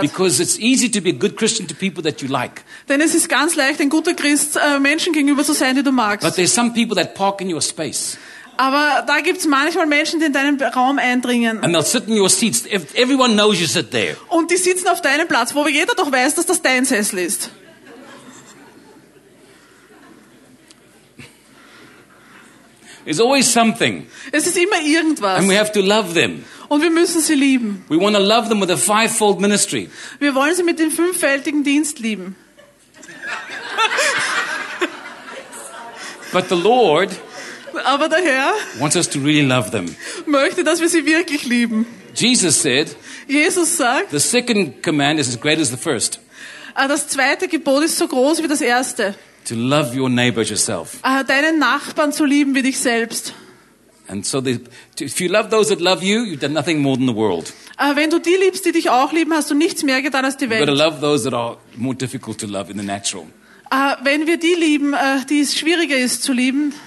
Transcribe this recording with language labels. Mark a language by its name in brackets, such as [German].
[English] Because it's easy to be a good Christian to people that you like. [German] Denn es ist ganz leicht, ein guter Christ Menschen gegenüber zu sein, die du magst. [English] But there's some people that park in your space. [German] Aber da gibt's manchmal Menschen, die in deinen Raum eindringen. [English] And they'll sit in your seats. Everyone knows you sit there. [German] Und die sitzen auf deinem Platz, wo jeder doch weiß, dass das dein Sessel ist. [English] It's always something. [German] Es ist immer irgendwas. [English] And we have to love them. [German] Und wir müssen sie lieben. [English] We want to love them with a fivefold ministry. [German] Wir wollen sie mit dem fünffältigen Dienst lieben. [English] But the Lord [German] aber der Herr [English] wants us to really love them. [German] Möchte, dass wir sie wirklich lieben. [English] Jesus said, [German] Jesus sagt, [English] the second command is as great as the first. [German] Das zweite Gebot ist so groß wie das erste. [English] To love your neighbor yourself. [German] Deinen Nachbarn zu lieben wie dich selbst. [English] And so if you love those that love you, you've done nothing more than the world. [German] Wenn du die liebst, die dich auch lieben, hast du nichts mehr getan als die Welt. [English] You gotta love those that are more difficult to love in the natural. [German] Wenn wir die lieben, die es schwieriger ist zu lieben.